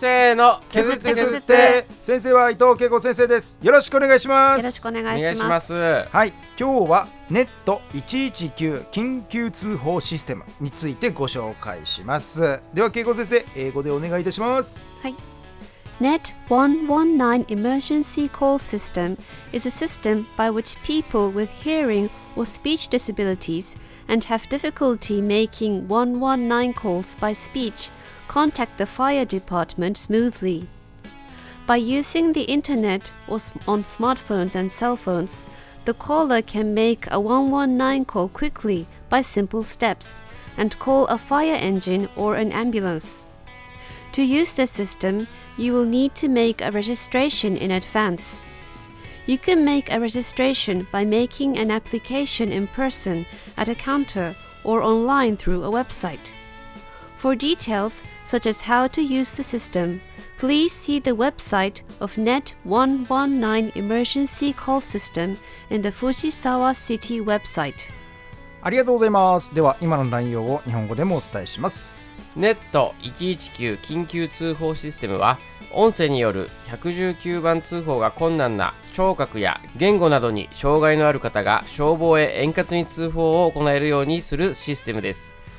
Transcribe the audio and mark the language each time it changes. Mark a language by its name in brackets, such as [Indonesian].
[Japanese] せーの、削って削っ て。先生は伊藤恵子先生です。よろしくお願いします。よろしくお願いします。はい、今日はネット119緊急通報システムについてご紹介します。では恵子先生、英語でお願いいたします。はい。 [English] NET 119 Emergency Call System is a system by which people with hearing or speech disabilities and have difficulty making 119 calls by speech contact the fire department smoothly. By using the internet or on smartphones and cell phones, the caller can make a 119 call quickly by simple steps and call a fire engine or an ambulance. To use this system, you will need to make a registration in advance. You can make a registration by making an application in person at a counter or online through a website. For details, such as how to use the system, please see the website of NET 119 Emergency Call System in the Fujisawa City website. [Japanese] ありがとうございます。では今の内容を日本語でもお伝えします。ネット119緊急通報システムは、音声による119番通報が困難な聴覚や言語などに障害のある方が消防へ円滑に通報を行えるようにするシステムです。